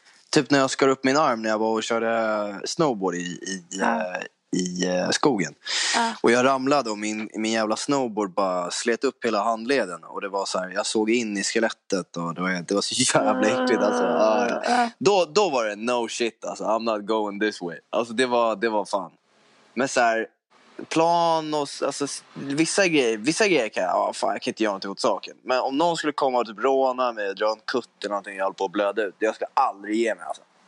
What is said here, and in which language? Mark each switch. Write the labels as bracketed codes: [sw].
[sv] Typ när jag skar upp min arm när jag var och körde snowboard i skogen. Och jag ramlade och min jävla snowboard bara slet upp hela handleden och det var så här, jag såg in i skelettet och det var så jävla äckligt alltså. Då var det [en] no shit [sv] alltså, [en] I'm not going this way. [sv] Alltså det var fan. Men så här, plan och alltså, vissa grejer kan jag, fan, jag kan inte göra något åt saken. Men om någon skulle komma och typ råna mig, dra en kutt eller någonting, jag håller på att blöda ut, jag ska aldrig ge mig alltså.